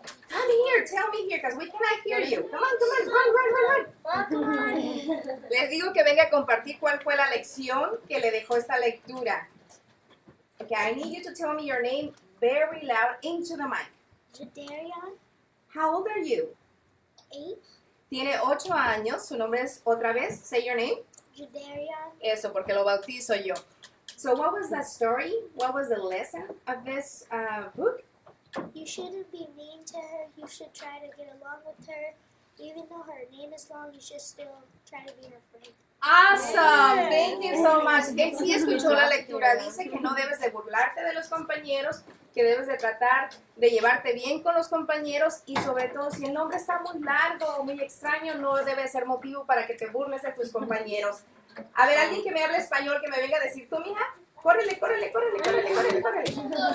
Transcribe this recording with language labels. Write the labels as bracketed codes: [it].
[en] Come here, tell me here, because we cannot hear you. Come on, run, run, run, run. [es] Les digo que venga a compartir cuál fue la lección que le dejó esta lectura. [en] Okay, I need you to tell me your name very loud into the mic. Jaderia. How old are you? 8. [es] Tiene 8 años. Su nombre es, otra vez, [en] say your name. [es] Jaderia. Eso, porque lo bautizo yo. [en] So what was the story? What was the lesson of this book? You shouldn't be mean to her. You should try to get along with her. Even though her name is long, you should still try to be her friend. Awesome! Thank you so much. [es] Él sí escuchó la lectura. Dice que no debes de burlarte de los compañeros, que debes de tratar de llevarte bien con los compañeros y sobre todo si el nombre está muy largo o muy extraño, no debe ser motivo para que te burles de tus compañeros. A ver, alguien que me hable español, que me venga a decir, tú, mija, córrele, córrele, córrele, córrele, córrele, córrele.